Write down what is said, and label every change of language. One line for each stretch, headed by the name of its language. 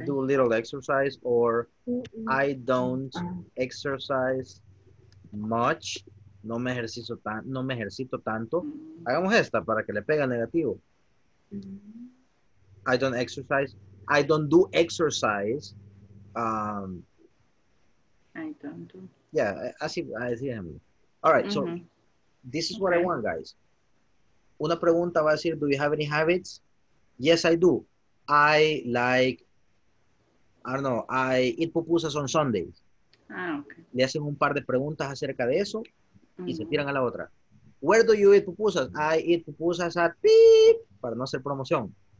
English: I do a little exercise or I don't exercise much.
Spanish: no me ejercito tan, no me ejercito tanto. Hagamos esta para que le pegue al negativo.
English: I don't exercise. I don't do exercise. I don't do. Yeah, así déjame. Alright, mm-hmm. So this is okay. What I want, guys. Una pregunta va a decir, do you have any habits? Yes, I do. I like, I don't know, I eat pupusas on Sundays. Ah, okay.
Spanish: Le hacen un par de preguntas acerca de eso mm-hmm. y se tiran a la otra.
English: Where do you eat pupusas? I eat pupusas at beep, para no hacer promoción.